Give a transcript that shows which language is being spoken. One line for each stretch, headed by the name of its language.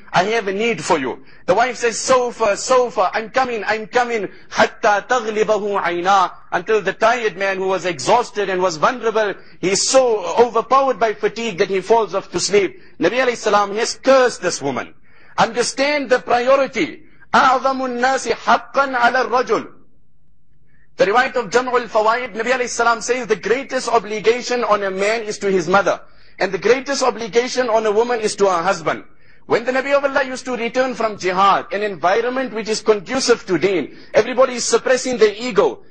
English: I have a need for you. The wife says, sofa, sofa, I'm coming.
Arabic: حتى تغلبه عيناه.
English: Until the tired man who was exhausted and was vulnerable, he's so overpowered by fatigue that he falls off to sleep. Nabi alayhi salam has cursed this woman. Understand the priority.
Arabic: أعظم الناس حقا على الرجل.
English: The riwayat of Jam'u al-Fawaid, Nabi alayhi salam says, the greatest obligation on a man is to his mother. And the greatest obligation on a woman is to her husband. When the Nabi of Allah used to return from jihad, an environment which is conducive to deen, everybody is suppressing their ego.